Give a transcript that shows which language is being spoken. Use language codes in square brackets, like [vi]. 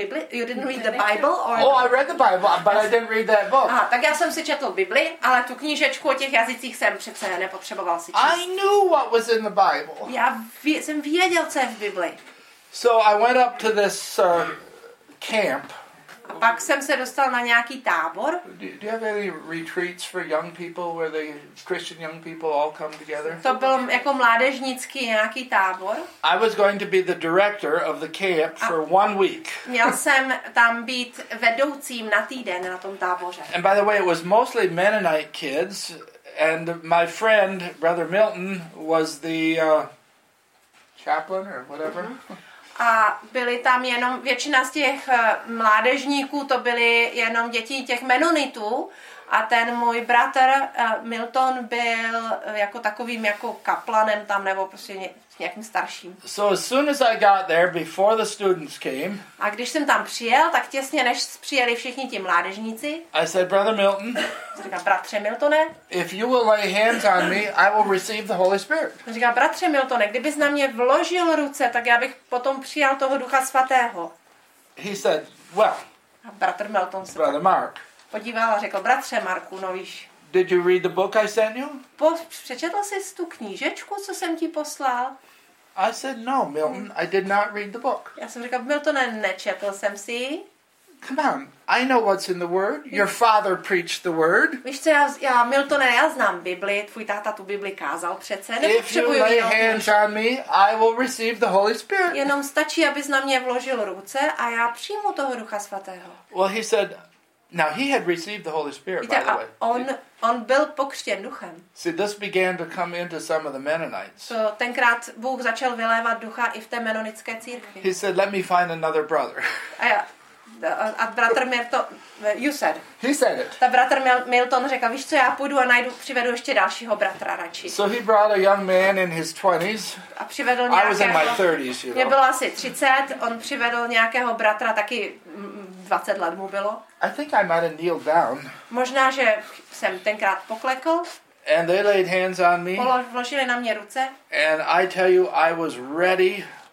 [en] You didn't read the Bible? I read the Bible, but I didn't read that book. [cs] Tak já jsem si četl Bibli, ale tu knížečku o těch jazycích jsem přece nepotřeboval si číst. [en] I knew what was in the Bible. [cs] Já jsem věděl, co je v Bibli. [en] So I went up to this camp. [cs] A pak jsem se dostal na nějaký tábor. [en] Do you have any retreats for young people where the Christian young people all come together? [cs] To byl jako mládežnický nějaký tábor. [en] I was going to be the director of the camp for 1 week. [cs] Měl jsem tam být vedoucím na týden na tom táboře. [en] And by the way, it was mostly Mennonite kids, and my friend Brother Milton was the chaplain or whatever. [cs] A byli tam jenom, většina z těch mládežníků, to byly jenom děti těch menonitů. A ten můj bratr Milton byl jako takovým jako kaplanem tam, nebo prostě nějakým starším. [en] So as soon as I got there, before the students came, [cs] a když jsem tam přijel, tak těsně než přijeli všichni ti mládežníci, [en] I said, Brother Milton, [cs] říkám, bratře Miltone, [en] if you will lay hands on me, I will receive the Holy Spirit. [cs] Říkám, bratře Miltone, kdybys na mě vložil ruce, tak já bych potom přijal toho Ducha Svatého. [en] He said, well, [cs] a bratr Milton se [en] Brother Mark, [cs] podíval a řekl, bratře Marku, no víš. [en] Did you read the book I sent you? [cs] Přečetl jsi tu knížečku, co jsem ti poslal? [en] I said, no, Milton, I did not read the book. [cs] Já jsem řekl, Miltone, nečetl jsem si. [en] Come on, I know what's in the word. Your father preached the word. [cs] Víš co, já, Miltone, já znám Bibli, tvůj táta tu Bibli kázal přece. [en] If you lay hands on me, I will receive the Holy Spirit. [cs] Jenom stačí, abys na mě vložil ruce a já přijmu toho Ducha Svatého. [en] Well, he said, now he had received the Holy Spirit. [cs] Víte, [en] by the way, [cs] on byl pokřtěn duchem. [en] See, this began to come into some of the Mennonites. [cs] So tenkrát Bůh začal vylévat ducha i v té menonické církvi. [en] He said, "Let me find another brother." [cs] A bratr Milton, [en] you said. He said it. [cs] Ta bratr Milton řekl, víš co, já půjdu a najdu, přivedu ještě dalšího bratra radši. [en] So he brought a young man in his 20s. [cs] A přivedl nějakého. [en] I was in my 30s, you know. [cs] Mě bylo asi 30, on přivedl nějakého bratra, taky 20 let mu bylo. [en] I think I might have kneeled down. [cs] Možná, že jsem tenkrát poklekl. [en] And they laid hands on me. [cs] Vložili na mě ruce. [en] And I tell you, I was ready.